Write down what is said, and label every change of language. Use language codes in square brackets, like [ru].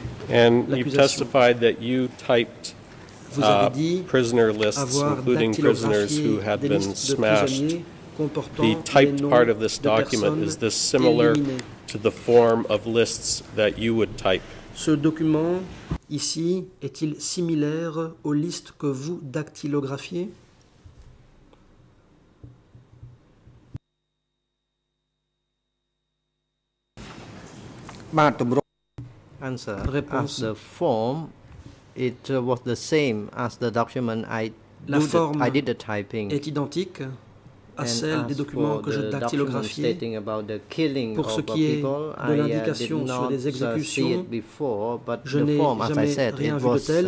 [en] And you testified that you typed prisoner lists, including prisoners who had been smashed. The typed part of this document, is this similar to the form of lists that you would type? [fr] Ce document ici est-il similaire aux listes que vous dactylographiez? [en] Answer. [fr] Réponse. [en] As the form, it was the same as the document I did the typing. [fr] Est identique à celle des documents que je dactylographiais. Pour ce qui est de l'indication sur les exécutions, je n'ai jamais rien vu de tel.